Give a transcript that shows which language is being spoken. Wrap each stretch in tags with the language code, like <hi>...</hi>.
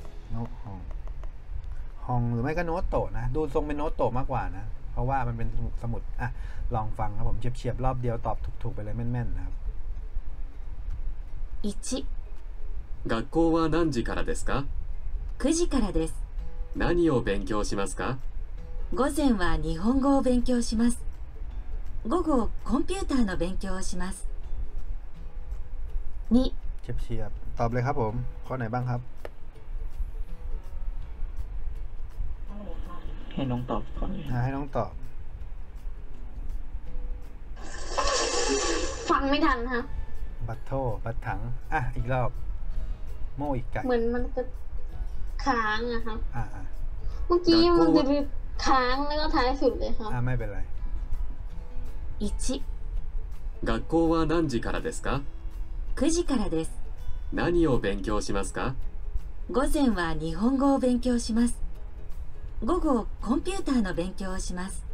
<th>โนฮงฮงหรือไม่ก็โนโตะนะดูทรงเป็นโนโตะมากกว่านะเพราะว่ามันเป็นสมุดอ่ะลองฟังครับผมเฉียบๆรอบเดียวตอบถูกๆไปเลยแม่นๆนะครับ 1</th> <ja>学校は何時からですか？ 9時からです。何を勉強しますか？午前は日本語を勉強します。午後コンピューターの勉強をします。 2</ja> <th>チェプシーアップ。ตอบเลยครับผมข้อไหนบ้างครับ ให้น้องตอบก่อน นะให้น้องตอบ ฟังไม่ทันครับ บัตโต้บัตถังอ่ะอีกรอบโม่อีกไก่ เหมือนมันจะค้างอะครับ เ มื่อกี้มันจะมีค้างแล้วก็ท้ายสุดเลยครับ ไม่เป็นไร 1</th> <ja>学校は何時からですか 9時からです。何を勉強しますか？午前は日本語を勉強します。午後コンピューターの勉強をします。</ja>